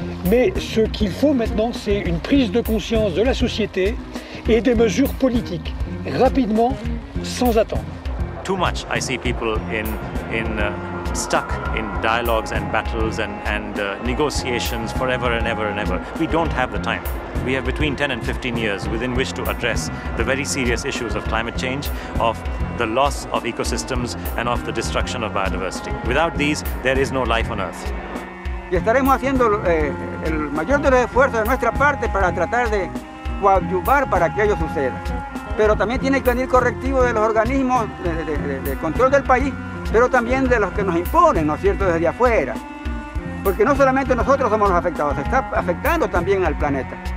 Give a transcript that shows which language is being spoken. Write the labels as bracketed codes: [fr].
[fr] Mais ce qu'il faut maintenant, c'est une prise de conscience de la société et des mesures politiques, rapidement, sans attendre. [en] Too much, I see people in stuck in dialogues and battles and negotiations forever and ever and ever. We don't have the time. We have between 10 and 15 years within which to address the very serious issues of climate change, of the loss of ecosystems, and of the destruction of biodiversity. Without these, there is no life on Earth. [es] Y estaremos haciendo el mayor de los esfuerzos de nuestra parte para tratar de coadyuvar para que ello suceda. Pero también tiene que venir correctivo de los organismos de control del país, pero también de los que nos imponen, ¿no es cierto?, desde afuera. Porque no solamente nosotros somos los afectados, está afectando también al planeta.